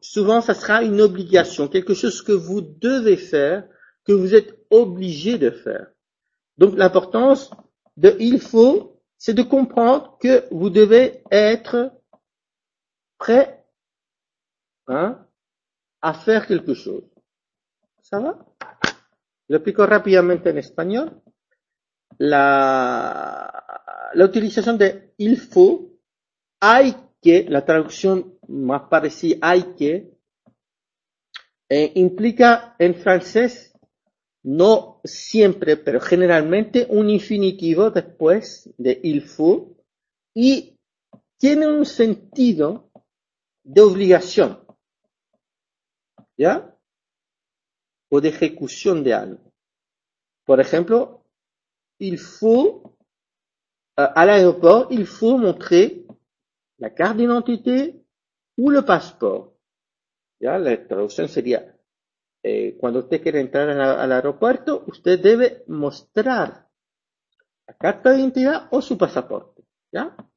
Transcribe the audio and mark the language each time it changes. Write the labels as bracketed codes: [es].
[fr] Souvent, ça sera une obligation, quelque chose que vous devez faire, que vous êtes obligé de faire. Donc, l'importance de « il faut », c'est de comprendre que vous devez être prêt, hein, à faire quelque chose. Ça va? [es] Lo explico rápidamente en español. La utilización de il faut, hay que, la traducción más parecida, hay que, implica en francés, no siempre, pero generalmente, un infinitivo después de il faut, y tiene un sentido de obligación. ¿Ya? O de ejecución de algo. Por ejemplo, [fr] il faut, à l'aéroport, il faut montrer la carte d'identité ou le passeport. [es] Ya, la traducción sería, cuando usted quiere entrar al aeropuerto, usted debe mostrar la carta de identidad o su pasaporte. Ya,